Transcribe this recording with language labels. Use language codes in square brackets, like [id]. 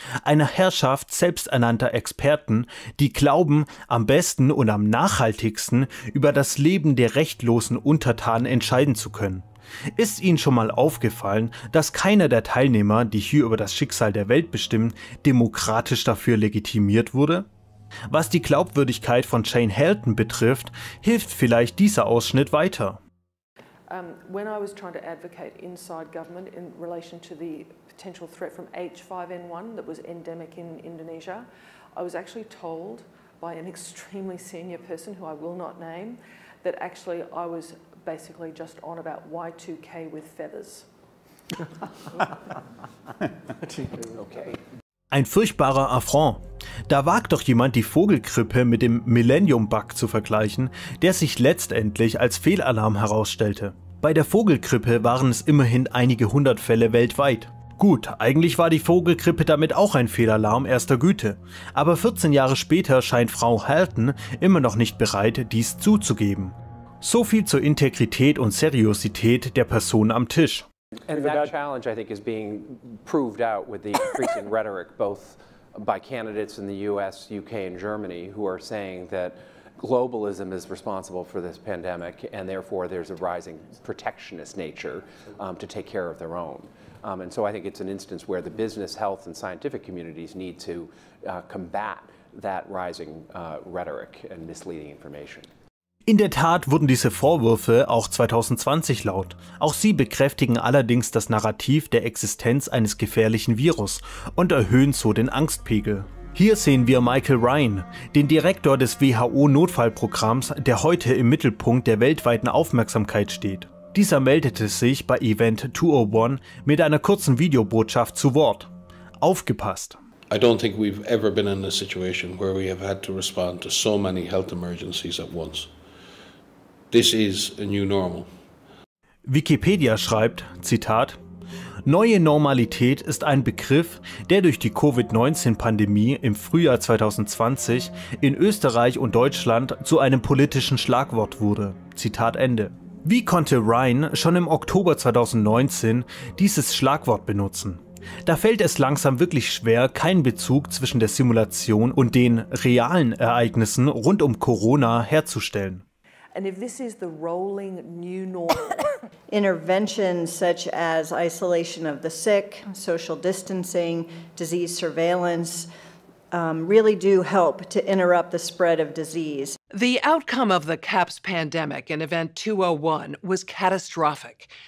[de] Einer Herrschaft selbsternannter Experten, die glauben, am besten und am nachhaltigsten über das Leben der rechtlosen Untertanen entscheiden zu können. Ist Ihnen schon mal aufgefallen, dass keiner der Teilnehmer, die hier über das Schicksal der Welt bestimmen, demokratisch dafür legitimiert wurde? Was die Glaubwürdigkeit von Shane Halton betrifft, hilft vielleicht dieser Ausschnitt weiter. [en] When I was trying to advocate inside government in relation to the potential threat from H5N1 that was endemic in Indonesia, I was actually told by an extremely senior person who I will not name that actually I was basically just on about Y2K with feathers. [de] Okay. Ein furchtbarer Affront. Da wagt doch jemand, die Vogelgrippe mit dem Millennium-Bug zu vergleichen, der sich letztendlich als Fehlalarm herausstellte. Bei der Vogelgrippe waren es immerhin einige hundert Fälle weltweit. Gut, eigentlich war die Vogelgrippe damit auch ein Fehlalarm erster Güte. Aber 14 Jahre später scheint Frau Halton immer noch nicht bereit, dies zuzugeben. So viel zur Integrität und Seriosität der Person am Tisch. [en] And that challenge, I think, is being proved out with the increasing rhetoric, both by candidates in the US, UK, and Germany, who are saying that globalism is responsible for this pandemic, and therefore there's a rising protectionist nature to take care of their own. And so I think it's an instance where the business, health, and scientific communities need to combat that rising rhetoric and misleading information. [de] In der Tat wurden diese Vorwürfe auch 2020 laut. Auch sie bekräftigen allerdings das Narrativ der Existenz eines gefährlichen Virus und erhöhen so den Angstpegel. Hier sehen wir Michael Ryan, den Direktor des WHO-Notfallprogramms, der heute im Mittelpunkt der weltweiten Aufmerksamkeit steht. Dieser meldete sich bei Event 201 mit einer kurzen Videobotschaft zu Wort. Aufgepasst! [en] I don't think we've ever been in a situation where we have had to respond to so many health emergencies at once. This is a new normal. [de] Wikipedia schreibt, Zitat, neue Normalität ist ein Begriff, der durch die Covid-19-Pandemie im Frühjahr 2020 in Österreich und Deutschland zu einem politischen Schlagwort wurde. Zitat Ende. Wie konnte Ryan schon im Oktober 2019 dieses Schlagwort benutzen? Da fällt es langsam wirklich schwer, keinen Bezug zwischen der Simulation und den realen Ereignissen rund um Corona herzustellen. [en] And if this is the rolling new normal, interventions such as isolation of the sick, social distancing, disease surveillance, really do help to interrupt the spread of disease. The outcome of the CAPS pandemic in event 201 was catastrophic.